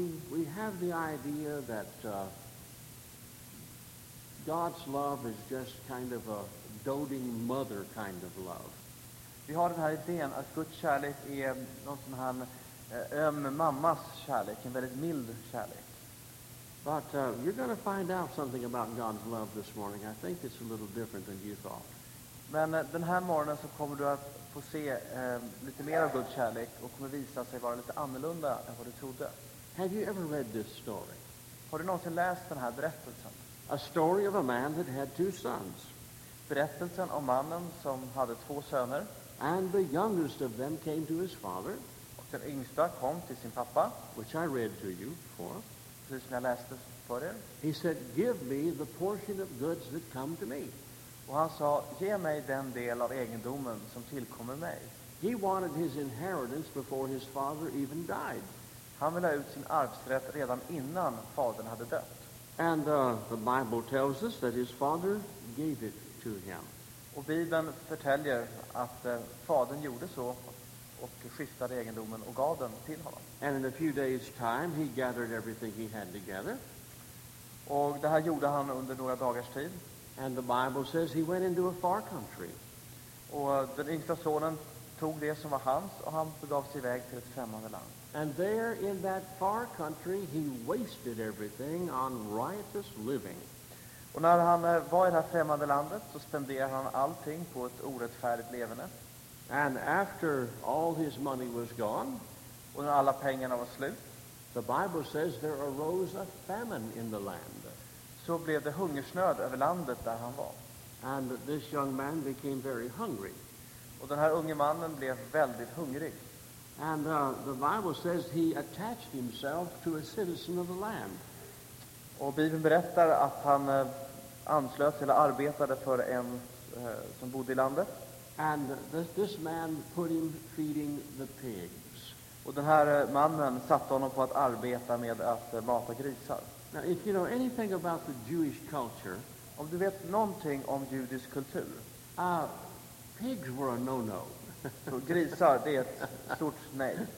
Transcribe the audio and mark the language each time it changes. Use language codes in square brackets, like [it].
[en] We have the idea that God's love is just kind of a doting mother kind of love. [sv] Vi har den här idén att Guds kärlek är någon sån här öm mammas kärlek, en väldigt mild kärlek. [en] But you're going to find out something about God's love this morning. I think it's a little different than you thought. [sv] Men den här morgonen så kommer du att få se lite mer av Guds kärlek och kommer visa sig vara lite annorlunda än vad du trodde. [en] Have you ever read this story? [sv] Har du någonsin läst den här berättelsen? [en] A story of a man that had two sons. [sv] Berättelsen om mannen som hade två söner. [en] And the youngest of them came to his father. [sv] Och den yngsta kom till sin pappa. [en] Which I read to you before. [sv] Precis som jag läste för er. [en] He said, give me the portion of goods that come to me. [sv] Och han sa, ge mig den del av egendomen som tillkommer mig. [en] He wanted his inheritance before his father even died. [sv] Han ville ha ut sin arvsrätt redan innan fadern hade dött. [en] And the Bible tells us that his father gave it to him. [sv] Och Bibeln förtäljer att fadern gjorde så och skiftade egendomen och gav den till honom. [en] And in a few days time he gathered everything he had together. [sv] Och det här gjorde han under några dagars tid. [en] And the Bible says he went into a far country. [sv] Och den yngsta sonen tog det som var hans och han begav sig iväg till ett främmande land. [en] And there in that far country he wasted everything on riotous living. [sv] Och när han var i det här främmande landet så spenderade han allting på ett orättfärdigt levande. [en] And after all his money was gone, [sv] och när alla pengarna var slut, [en] the Bible says there arose a famine in the land. [sv] Så blev det hungersnöd över landet där han var. [en] And this young man became very hungry. [sv] Och den här unge mannen blev väldigt hungrig. [en] And the Bible says he attached himself to a citizen of the land. [sv] Och Bibeln berättar att han anslöt eller arbetade för en som bodde i landet. [en] And this man put him feeding the pigs. [sv] Och den här mannen satte honom på att arbeta med att mata grisar. [en] Now, if you know anything about the Jewish culture, [sv] om du vet någonting om judisk kultur, [en] pigs were a no-no. [sv] Så grisar, det är ett stort nej.